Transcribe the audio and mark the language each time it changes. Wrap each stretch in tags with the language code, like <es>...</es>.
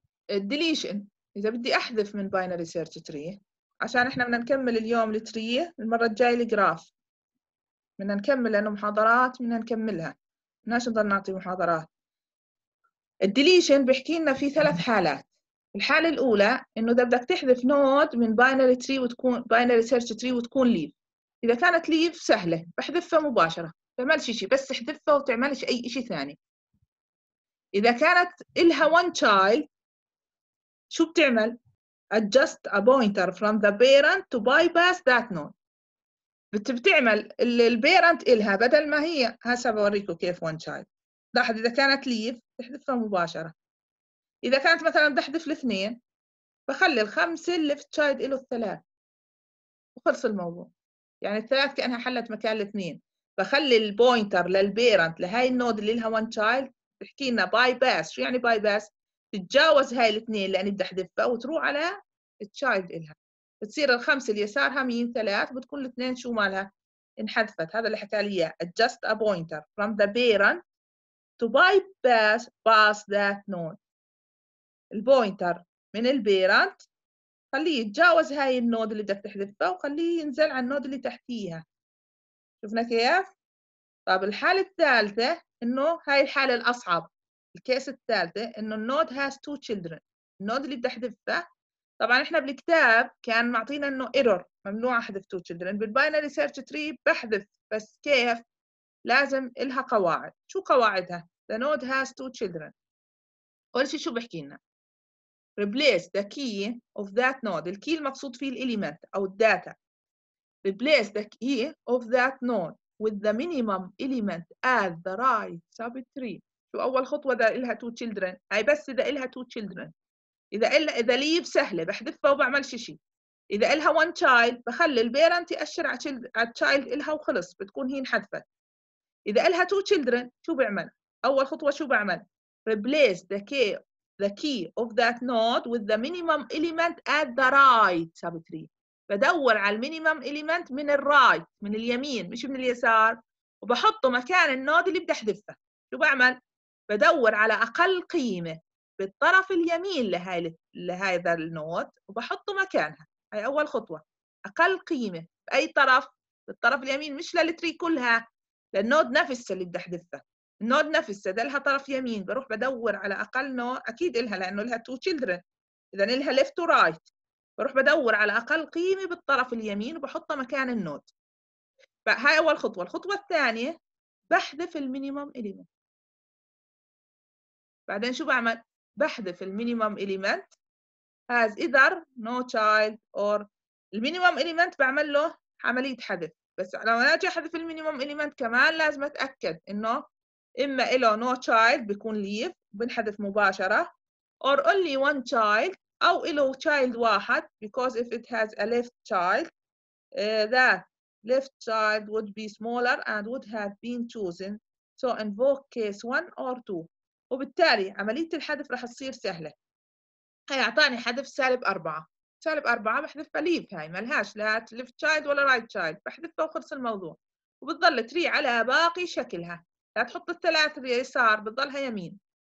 <ar>الديليشن، إذا بدي أحذف من باينري سيرش تري، عشان إحنا بدنا نكمل اليوم التري، المرة الجاية الجراف بدنا نكمل، لأنه محاضرات بدنا نكملها، بدناش نضل نعطي محاضرات. الديليشن بيحكي لنا في ثلاث حالات. الحالة الأولى إنه إذا بدك تحذف نود من باينري تري وتكون باينري سيرش تري وتكون ليف، إذا كانت ليف سهلة بحذفها مباشرة، تعملش شيء بس تحذفها وتعملش أي شيء ثاني. إذا كانت إلها</ar> <en>one child</en> <ar>شو بتعمل؟</ar> <en>adjust a pointer from the parent to bypass that node.</en> <ar>بتعمل البيرنت إلها بدل ما هي، هسا بوريكم كيف one child. لاحظ إذا كانت ليف تحذفها مباشرة. إذا كانت مثلاً بتحذف الاثنين بخلي الخمسة left child إله الثلاث وخلص الموضوع. يعني الثلاث كأنها حلت مكان الاثنين، بخلي البوينتر للبيرنت لهاي النود اللي لها one child بحكي لنا باي باس. شو يعني باي باس؟ تتجاوز هاي الاثنين لأني بدي احذفها وتروح على child إلها، بتصير الخمسة اليسارها مين ثلاث، بتكون الاثنين شو مالها انحذفت. هذا اللي حكى لي إياه</ar> <en>adjust a pointer from the parent to bypass pass that node.</en> <ar>البوينتر من البيرنت خليه يتجاوز هاي النود اللي بدك تحذفها وخليه ينزل على النود اللي تحتيها. شفنا كيف؟ طب الحالة الثالثة إنه هاي الحالة الأصعب، الكيس الثالثة إنه النود</ar> <en>has two children.</en> <ar>النود اللي بدي احذفها طبعاً إحنا بالكتاب كان معطينا إنه error، ممنوع أحذف two children. بالباينري سيرش تري بحذف، بس كيف؟ لازم إلها قواعد. شو قواعدها؟</ar> <en>the node has two children.</en> <ar>أول شيء شو بحكي لنا؟</ar> <en>replace the key of that node.</en> <ar>الكي المقصود فيه element أو data.</ar> <en>replace the key of that node with the minimum element at the right subtree.</en> <ar>شو أول خطوة إذا إلها two children؟ أي بس إذا إلها two children. إذا إلها إذا ليف سهلة بحذفها وبعملش شيء. إذا إلها one child بخلي البيرنت يأشر على child إلها وخلص، بتكون هي انحذفت. إذا إلها</ar> <en>two children</en> <ar>شو بعمل؟ أول خطوة شو بعمل؟</ar> <en>replace the key of that node with the minimum element at the right subtree.</en> <ar>بدور على المينيمم إليمنت من الرايت، من اليمين مش من اليسار، وبحطه مكان النود اللي بدي احذفها. شو بعمل؟ بدور على أقل قيمة بالطرف اليمين لهذا النود وبحطه مكانها. هاي أول خطوة، أقل قيمة بأي طرف؟ بالطرف اليمين، مش للتري كلها، للنود نفسها اللي بدي احذفها. النود نفسها ده لها طرف يمين، بروح بدور على أقل نود، أكيد إلها لأنه لها two children، إذا إلها left to right، بروح بدور على أقل قيمة بالطرف اليمين وبحطها مكان النود. فهاي أول خطوة. الخطوة الثانية بحذف المينيمم إليمنت. بعدين شو بعمل؟ بحذف المينيمم إليمنت</ar> <en>has either no child or</en> <ar>المينيمم إليمنت، بعمل له عملية حذف. بس لو أنا أجي أحذف المينيمم إليمنت كمان لازم أتأكد إنه إما إله</ar> <en>no child</en> <ar>بيكون</ar> <en>leave</en> <ar>بنحذف مباشرة،</ar> <en>or only one child</en> <ar>أو إلو</ar> <en>child</en> <ar>واحد،</ar> <en>because if it has a left child that left child would be smaller and would have been chosen, so invoke case one or two.</en> <ar>وبالتالي عملية الحذف رح تصير سهلة. هي أعطاني حذف سالب أربعة، سالب أربعة بحذف بليف، هاي ملهاش لا left child ولا right child، بحذف وخلص الموضوع. وبتظل تري على باقي شكلها، لا تحط الثلاث اليسار، بتظلها يمين.</ar>